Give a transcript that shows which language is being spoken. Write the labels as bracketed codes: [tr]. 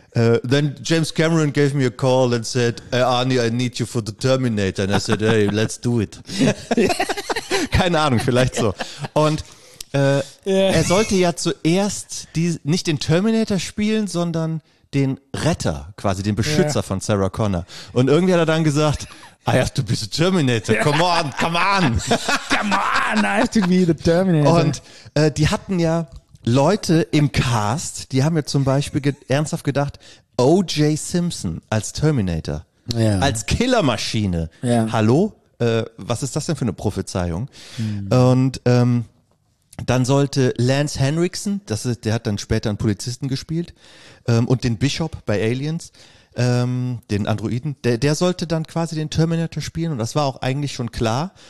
[en] Then James Cameron gave me a call and said, Arnie, I need you for the Terminator. And I said, hey, let's do it. [de] Keine Ahnung, vielleicht so. Und er sollte ja zuerst nicht den Terminator spielen, sondern den Retter, quasi den Beschützer von Sarah Connor. Und irgendwie hat er dann gesagt, [en] I have to be the Terminator. Come on. Come on, I have to be the Terminator. [de] Und die hatten ja Leute im Cast, die haben mir zum Beispiel ernsthaft gedacht, O.J. Simpson als Terminator, als Killermaschine. Ja. Hallo? Was ist das denn für eine Prophezeiung? Und dann sollte Lance Henriksen, der hat dann später einen Polizisten gespielt, und den Bishop bei Aliens, den Androiden, der sollte dann quasi den Terminator spielen und das war auch eigentlich schon klar.